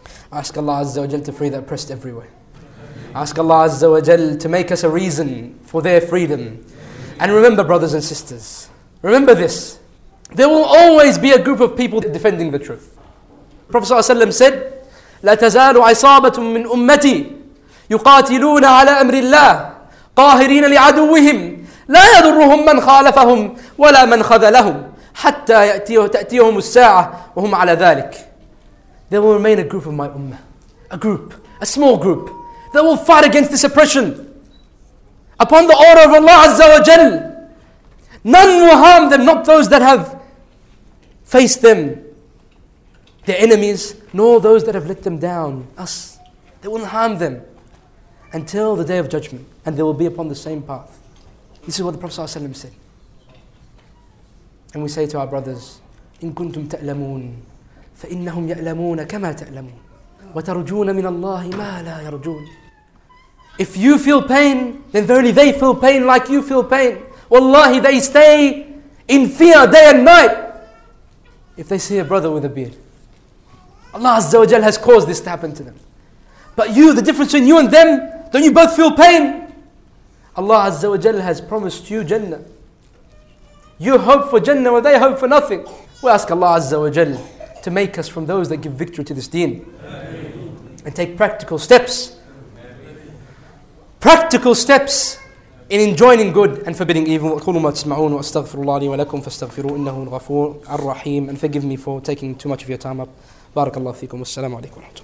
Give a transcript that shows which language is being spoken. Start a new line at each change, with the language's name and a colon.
English: I ask Allah Azza wa Jal to free the oppressed everywhere. Ask Allah Azza wa Jal to make us a reason for their freedom. And remember, brothers and sisters, remember this. There will always be a group of people defending the truth. Prophet ﷺ said,
Arabic: لا تزال عصابة من أمتي يقاتلون على أمر الله قاهرين لعدوهم لا يضرهم من خالفهم ولا من خذلهم حتى تأتيهم الساعة وهم على ذلك.
English: There will remain a group of my ummah, a group, a small group, that will fight against this oppression upon the order of Allah Azza wa Jal. None will harm them, not those that have faced them, their enemies, nor those that have let them down, us. They won't harm them until the day of judgment, and they will be upon the same path. This is what the Prophet ﷺ said. And we say to our brothers,
Arabic: إِن كُنْتُمْ تَأْلَمُونَ فَإِنَّهُمْ يَأْلَمُونَ كَمَا تَأْلَمُونَ وَتَرُجُونَ مِنَ اللَّهِ مَا لَا يَرْجُونَ.
English: If you feel pain, then verily they feel pain like you feel pain. Wallahi, they stay in fear day and night. If they see a brother with a beard, Allah Azza wa Jal has caused this to happen to them. But you, the difference between you and them, don't you both feel pain? Allah Azza wa Jal has promised you Jannah. You hope for Jannah when they hope for nothing. We ask Allah Azza wa Jal to make us from those that give victory to this deen. And take practical steps. Practical steps in enjoining good and forbidding evil.
Arabic: وَقُولُوا مَا تَسْمَعُونَ وَأَسْتَغْفِرُ اللَّهِ وَلَكُمْ فَاسْتَغْفِرُوا إِنَّهُ الْغَفُورُ الرَّحِيمُ.
English: And forgive me for taking too much of your time up.
Arabic: بارك الله فيكم والسلام عليكم ورحمة الله.